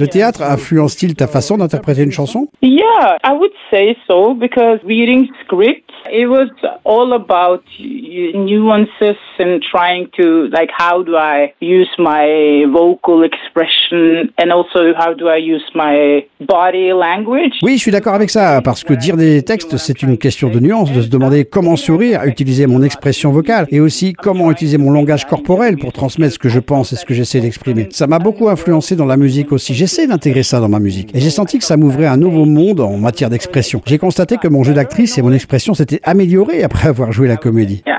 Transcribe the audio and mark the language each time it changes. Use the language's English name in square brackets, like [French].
[French] Le théâtre a influencé ta façon d'interpréter une chanson? [English] Yeah, I would say so, because reading scripts, it was all about nuances and trying to, like, how do I use my vocal expression and also how do I use my body language. [French] Oui, je suis d'accord avec ça, parce que dire des textes, c'est une question de nuance, de se demander comment sourire, utiliser mon expression vocale et aussi comment utiliser mon langage corporel pour transmettre ce que je pense et ce que j'essaie d'exprimer. Ça m'a beaucoup influencé dans la musique aussi. J'essaie d'intégrer ça dans ma musique. Et j'ai senti que ça m'ouvrait un nouveau monde en matière d'expression. J'ai constaté que mon jeu d'actrice et mon expression s'étaient améliorés après avoir joué la comédie.